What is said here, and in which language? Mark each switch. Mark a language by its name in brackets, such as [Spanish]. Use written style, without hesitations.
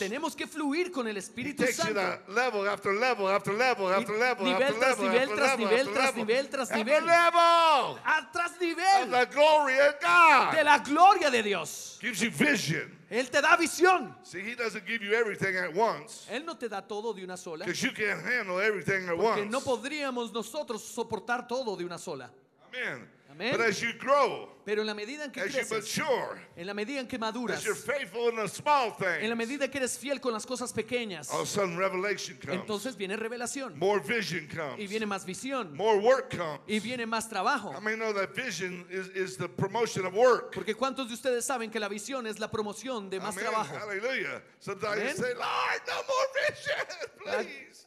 [Spanish] tenemos que fluir con el Espíritu [English] Santo. He takes you to level after level after level after level [Spanish] nivel [English] after, [Spanish] tras [English] level, [Spanish] nivel, [English] after [Spanish] tras [English] level, [Spanish] nivel tras nivel tras nivel tras [English] level, [Spanish] nivel tras nivel. [English] Of the glory of God. [Spanish] De la gloria de Dios. [English] Gives you vision. [Spanish] Él te da visión. [English] See, he doesn't give you everything at once. [Spanish] Él no te da todo de una sola. [English] Because you can't handle everything at [Spanish] Porque [English] once. [Spanish] No podríamos nosotros soportar todo de una sola. [English] Amen. But as you grow, [Spanish] Pero en la medida en que [English] as [Spanish] creces, [English] you mature, [Spanish] en la medida en que maduras, [English] as you're faithful in the small things, [Spanish] en la medida que eres fiel con las cosas pequeñas, [English] all of a sudden revelation comes. [Spanish] Entonces viene revelación. [English] More vision comes. [Spanish] Y viene más visión. [English] More work comes. [Spanish] Y viene más trabajo. [English] How many know that vision is the promotion of work? [Spanish] Porque cuántos de ustedes saben que la visión es la promoción de más Amen. Trabajo. Hallelujah. [English] Sometimes Amen. You say, Lord, no more vision, please.